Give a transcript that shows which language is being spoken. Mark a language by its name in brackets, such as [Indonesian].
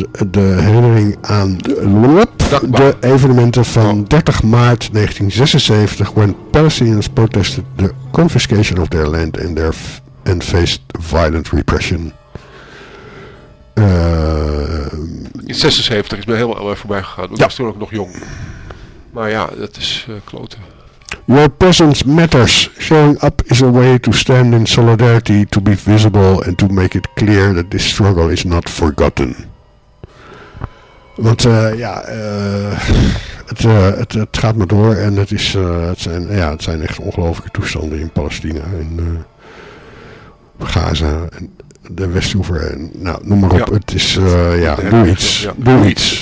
[Dutch] de herinnering aan de evenementen van 30 maart 1976... [English] when Palestinians protested the confiscation of their land and and faced violent repression. [Dutch] In 76 is me heel erg voorbij gegaan. Ik was toen ook nog jong. Maar ja, dat is kloten. [English] Your presence matters. Showing up is a way to stand in solidarity, to be visible and to make it clear that this struggle is not forgotten. [Dutch] Want het gaat maar door en het is het zijn echt ongelofelijke toestanden in Palestina en Gaza en de Westoever en noem maar op. Het is doe iets.